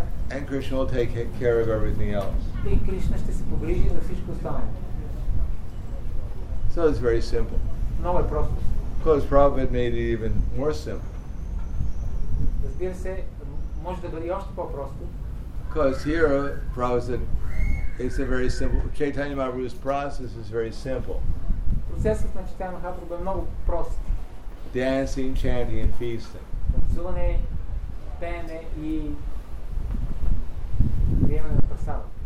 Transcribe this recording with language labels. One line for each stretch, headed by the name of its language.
English: And Krishna will take care of everything else. So it's very simple. Of course Prabhupada made it even more simple.
Bulgarian: Разбира се, може да бъде още по-просто.
English: Because here, Prabhupada, it's a very simple, Chaitanya Mahaprabhu's process is very simple.
Bulgarian: Процесът на Чайтанья Махапрабху е много прост.
English: Dancing, chanting and feasting.
Bulgarian: Танцуване, пеене и приемане на прасада.